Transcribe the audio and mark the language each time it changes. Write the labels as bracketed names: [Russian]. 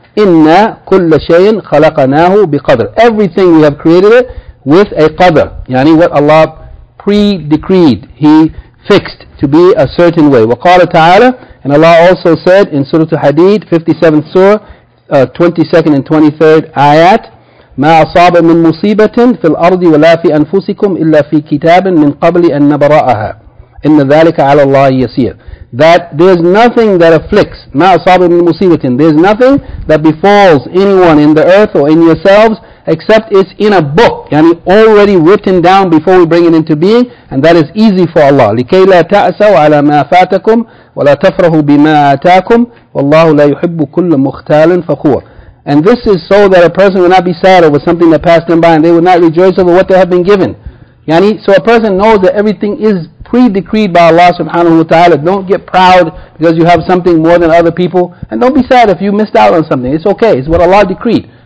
[Arabic] Inna kulla shayin khalaqanahu biqadr. [English] Everything we have created it with a qadr. Yani what Allah pre-decreed, He fixed to be a certain way. [Arabic] Waqala ta'ala, [English] and Allah also said in Surah Al-Hadid, 57th Surah, 22nd and 23rd ayat. [Arabic] ما أصاب من مصيبة في الأرض ولا في أنفسكم إلا في كتاب من قبل أن نبرأها إن ذلك على الله يسير. [English] That there is nothing that afflicts. [Arabic] ما أصاب من مصيبة. [English] There is nothing that befalls anyone in the earth or in yourselves except it's in a book. يعني already written down before we bring it into being, and that is easy for Allah. [Arabic] لكي لا تأسوا على ما فاتكم ولا تفرحوا بما آتاكم والله لا يحب كل مختال فخور. [English] And this is so that a person will not be sad over something that passed them by, and they will not rejoice over what they have been given. Yani, so a person knows that everything is pre-decreed by Allah subhanahu wa ta'ala. Don't get proud because you have something more than other people. And don't be sad if you missed out on something. It's okay. It's what Allah decreed.